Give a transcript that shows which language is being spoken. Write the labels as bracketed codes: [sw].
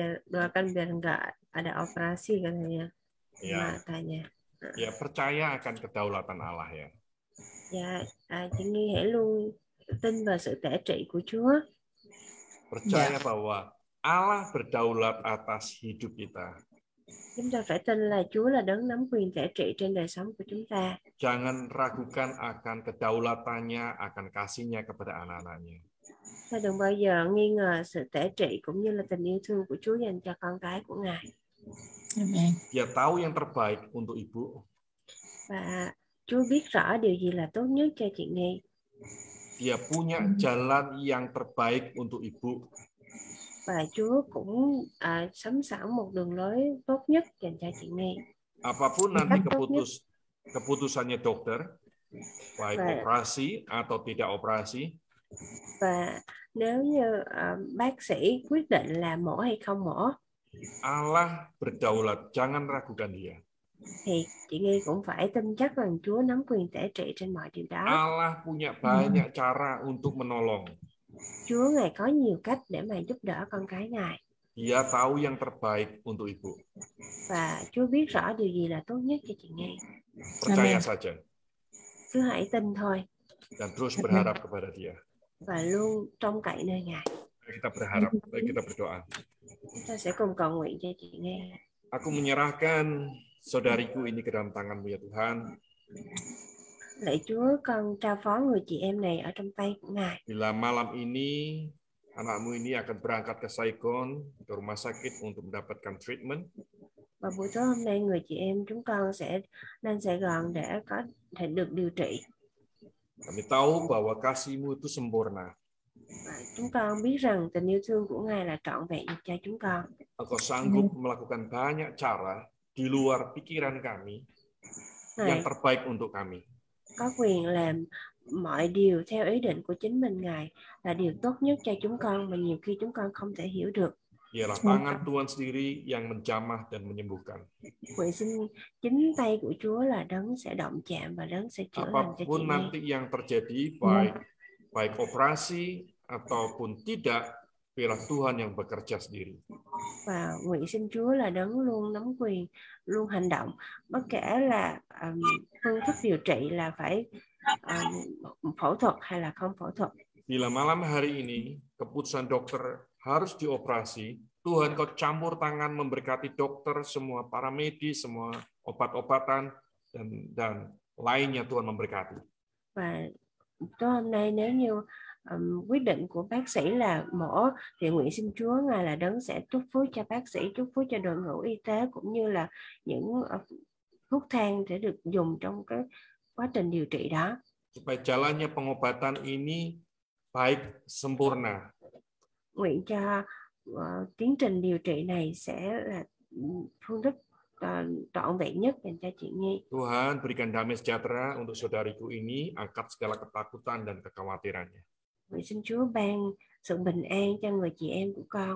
[id] Doakan biar enggak ada operasi katanya. Ya. Matanya. Ya, percaya akan kedaulatan Allah ya. Ya, jadi [vi] hãy luôn tin vào sự tể trị của Chúa. [id] Percaya ya. Bahwa Allah berdaulat atas hidup kita. [vi] Chúng ta phải tin là Chúa là đấng nắm quyền thể trị trên đời sống của chúng ta. [id] Jangan ragukan akan kedaulatannya, akan kasihnya kepada anak-anaknya. [vi] Ta đừng bao giờ nghi ngờ sự thể trị cũng như là tình yêu thương của Chúa dành cho con cái của Ngài. [id] Dia tahu yang terbaik untuk ibu. [vi] Và Chúa biết rõ điều gì là tốt nhất cho chị Nghi. [id] Dia punya jalan yang terbaik untuk ibu. [vi] Và Chúa cũng sẵn sàng một đường lối tốt nhất dành cho chị Nghi. [id] Apapun nanti keputusannya dokter, baik operasi atau tidak operasi. [vi] Và nếu như bác sĩ quyết định là mổ hay không mổ, [id] Allah berdaulat, jangan ragukan dia. [vi] Thì chị Nghi cũng phải tin chắc rằng Chúa nắm quyền thể trị trên mọi điều đó. [id] Allah punya banyak cara untuk menolong. [vi] Chúa Ngài có nhiều cách để mà giúp đỡ con cái Ngài. [id] Dia tahu yang terbaik untuk ibu. [vi] Và Chúa biết rõ điều gì là tốt nhất cho chị Nghi. [id] Percaya saja. [vi] Cứ hãy tin thôi. [id] Dan terus berharap kepada dia. [vi] Và luôn trông cậy nơi Ngài. [id] Kita berharap, kita berdoa. [vi] Kita sẽ cùng cầu nguyện cho chị nghe. [id] Aku menyerahkan saudariku ini ke dalam tangan-Mu ya Tuhan. [vi] Lạy Chúa, con trao phó người chị em này ở trong tay của Ngài. [id] Bila malam ini anakmu ini akan berangkat ke Saigon, ke rumah sakit untuk mendapatkan treatment. [vi] Và buổi tối hôm nay người chị em chúng con sẽ lên Sài Gòn để có thể được điều trị. [id] Kami tahu bahwa kasih-Mu itu sempurna. [vi] Chúng con biết rằng tình yêu thương của Ngài là trọn vẹn cho chúng con. [id] Aku sanggup melakukan banyak cara di luar pikiran kami [vi] Ngài [id] yang terbaik untuk kami. [vi] Có quyền làm mọi điều theo ý định của chính mình Ngài là điều tốt nhất cho chúng con mà nhiều khi chúng con không thể hiểu được. [id] Ialah tangan Tuhan sendiri yang menjamah dan menyembuhkan. [vi] Quyền xin chính tay của Chúa là đấng sẽ động chạm và đấng sẽ chữa lành cho chị. [id] Apapun nanti yang terjadi, baik operasi ataupun tidak, biarlah Tuhan yang bekerja sendiri. [vi] Và nguyện xin Chúa là đấng luôn nắm quyền, luôn hành động, bất kể là phương thức điều trị là phải phẫu thuật hay là không phẫu thuật. [id] Bila malam hari ini keputusan dokter harus dioperasi, Tuhan kau campur tangan memberkati dokter, semua para medis, semua obat-obatan dan lainnya Tuhan memberkati. [vi] Và tối hôm nay nếu như quyết định của bác sĩ là mổ thì nguyện xin Chúa Ngài là đấng sẽ chúc phước cho bác sĩ, chúc phước cho đội ngũ y tế cũng như là những thuốc thang sẽ được dùng trong cái quá trình điều trị đó. [id] Supaya jalannya pengobatan ini baik sempurna. [vi] Nguyện cho tiến trình điều trị này sẽ là phương thức trọn vẹn nhất dành cho chị Nghi. [id] Tuhan berikan damai sejahtera untuk saudariku ini, angkat segala ketakutan dan kekhawatirannya. [vi] Nguyện xin Chúa ban sự bình an cho người chị em của con.